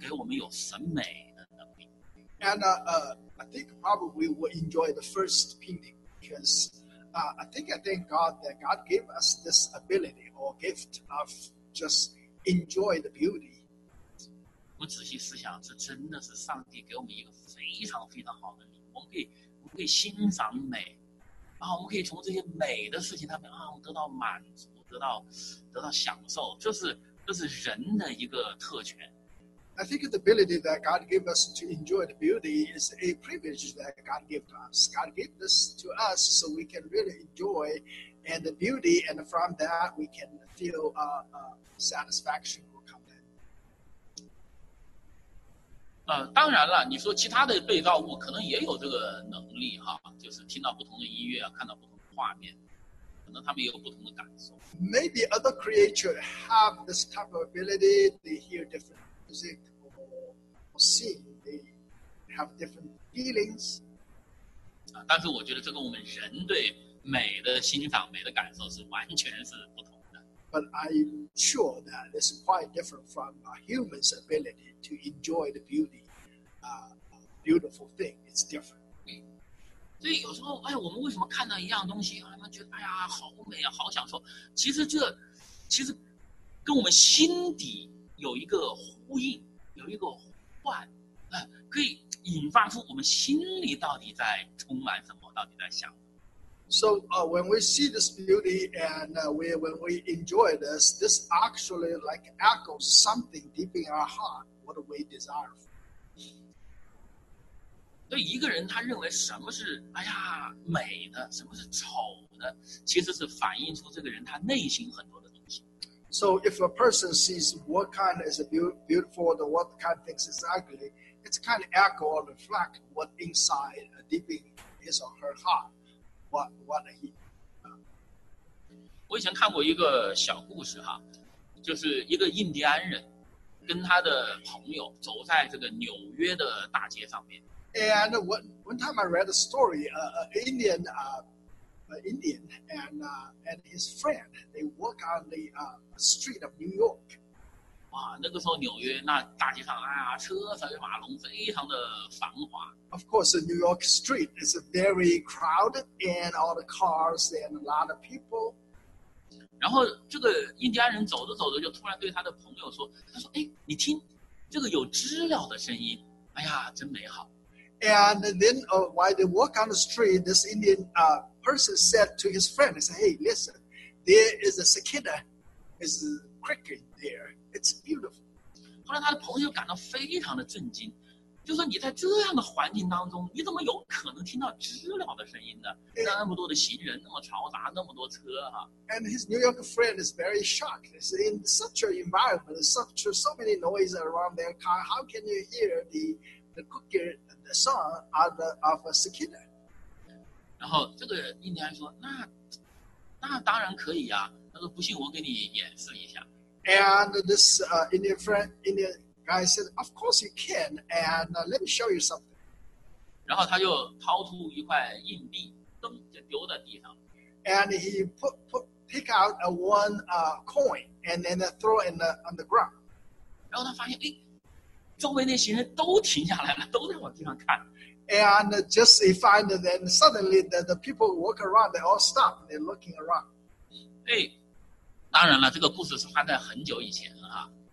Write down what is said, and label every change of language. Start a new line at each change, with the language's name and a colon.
Chinese: 第一个,对啊,就是,我非常的感谢神,就是神给我们有审美的能力。
English: And I think probably we will enjoy the first painting, because I thank God that God gave us this ability or gift of just enjoy the beauty.
Chinese: 我仔细思想,这真的是上帝给我们一个非常非常好的礼物,我们可以欣赏美,然后我们可以从这些美的事情上面得到满足,得到享受,这是人的一个特权。
English: I think the ability that God gave us to enjoy the beauty is a privilege that God gave to us. God gave this to us so we can really enjoy and the beauty, and from that we can feel satisfaction or content.
Chinese: 当然了，你说其他的被造物可能也有这个能力哈，就是听到不同的音乐，看到不同的画面，可能他们也有不同的感受。
English: Maybe other creatures have this type of ability. They hear different music or sing. They have different feelings.
Chinese: 但是我觉得这跟我们人对美的欣赏、美的感受是完全是不同的。
English: But I'm sure that it's quite different from a human's ability to enjoy the beauty. A beautiful thing. It's different.
Chinese: 所以有时候，哎，我们为什么看到一样东西，他们觉得，哎呀，好美啊，好享受？其实这，其实跟我们心底有一个呼应，有一个呼唤，可以引发出我们心里到底在充满什么，到底在想。
English: So, when we see this beauty and when we enjoy this, this actually like echoes something deep in our heart, what we desire for.
Chinese: 所以一个人他认为什么是哎呀美的，什么是丑的，其实是反映出这个人他内心很多的东西。
English: So if a person sees what kind is beautiful or what kind of things is ugly, it's kind of echo or reflect what inside deep in his or her heart, what he.
Chinese: 我以前看过一个小故事哈，就是一个印第安人跟他的朋友走在这个纽约的大街上面。
English: And one time I read a story, an Indian and his friend, they walk on the street of New York.
Chinese: 哇，那个时候纽约那大街上啊，车水马龙，非常的繁华。
English: Of course, New York street is very crowded, and all the cars and a lot of people.
Chinese: 然后这个印第安人走着走着，就突然对他的朋友说：“他说，哎，你听，这个有知了的声音，哎呀，真美好。”
English: And then, while they walk on the street, this Indian person said to his friend, "He said, 'Hey, listen, there is a cicada, is a cricket there. It's beautiful.'"
Chinese: 后来他的朋友感到非常的震惊，就说：“你在这样的环境当中，你怎么有可能听到知了的声音呢？那么多的行人，那么嘈杂，那么多车啊！”
English: And his New York friend is very shocked. He said, "In such an environment, such so many noise around their car, how can you hear the cricket?" Song of a cicada.
Chinese: 然后这个印第安说，那当然可以啊。他说不信我给你演示一下。
English: And this Indian guy said, "Of course you can. And let me show you something."
Chinese: 然后他就掏出一块硬币，噔就丢在地上。
English: And he pick out a one coin and then throw it on the ground.
Chinese: 然后他发现，哎。周围那行人都停下来了，都在往地上看。
English: And just he find then suddenly that the people walk around, they all stop, they're looking around.
Chinese: 哎，当然了，这个故事是发在很久以前啊。